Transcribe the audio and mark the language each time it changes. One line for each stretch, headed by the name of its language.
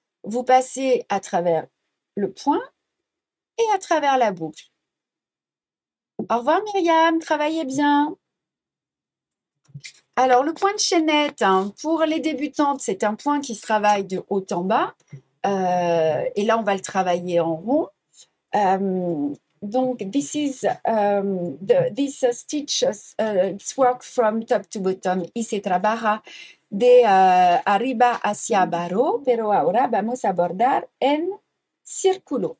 French: Vous passez à travers le point et à travers la boucle. Au revoir Myriam, travaillez bien. Alors, le point de chaînette, hein, pour les débutantes, c'est un point qui se travaille de haut en bas. Et là, on va le travailler en rond.
English: Donc, this stitch work from top to bottom.
Spanish: Y se trabaja de arriba hacia abajo, pero ahora vamos a bordar en círculo.